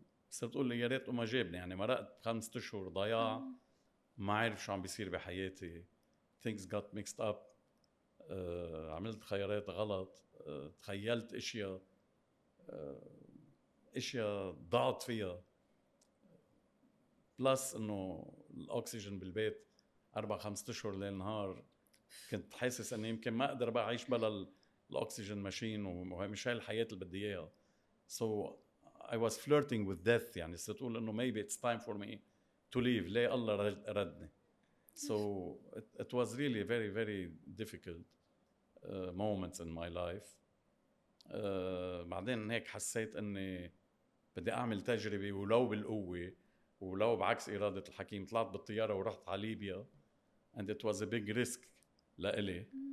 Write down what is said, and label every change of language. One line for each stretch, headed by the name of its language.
Arabic: صرت أقول لي يا ريت وما جابني، يعني مرقت 5 أشهر ضياع ما عارف شو عم بيصير بحياتي،
English: things got mixed up،
Arabic: عملت خيارات غلط، تخيلت أشياء، أشياء ضعت فيها، بلس إنه الأكسجين بالبيت 4-5 أشهر ليل نهار، كنت حاسس إني يمكن ما أقدر بقى أعيش بلا الأكسجين ماشين، ومش هاي الحياة اللي بدي إياها.
English: So I was flirting with death،
Arabic: يعني ستقول إنه
English: maybe it's time for me to leave،
Arabic: ليه الله ردني.
English: So it was really very very difficult moments in my life.
Arabic: بعدين هيك حسيت إني بدي أعمل تجربة ولو بالقوة ولو بعكس إرادة الحكيم. طلعت بالطيارة ورحت على ليبيا،
English: and it was a big risk لإلي.